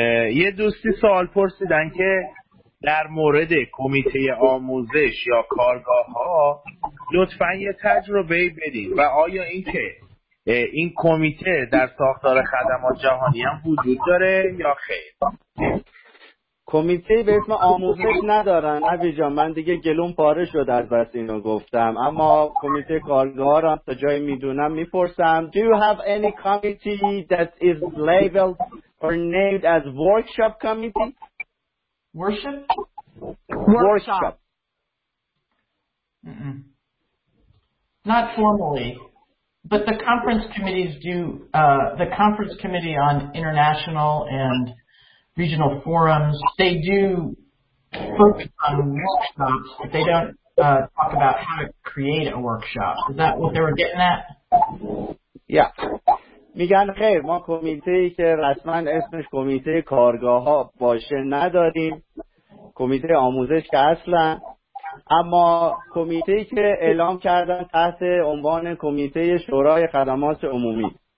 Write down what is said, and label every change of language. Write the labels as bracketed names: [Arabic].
[Persian] یه دوستی سوال پرسیدن که در مورد کمیته آموزش یا کارگاه ها لطفا یه تجربه بدید و آیا اینکه این کمیته در ساختار خدمات جهانی هم وجود داره یا خیر؟ کمیته به اسم آموزش ندارن عبی جان، من دیگه گلوم پاره شد از بس اینو گفتم، اما کمیته کارگاه هم تا جایی میدونم میپرسم. [English] Do you have any committee that is labeled or named as workshop committee? Worship? Workshop. Not formally, but the conference committees do, the Conference Committee on International and Regional Forums, they do focus on workshops, but they don't talk about how to create a workshop. Is that what they were getting at? Yeah. [Persian] میگن خیر ما کمیته ای که رسما اسمش کمیته کارگاه ها باشه نداریم، کمیته آموزش که اصلا، اما کمیته ای که اعلام کردن تحت عنوان کمیته شورای خدمات عمومی،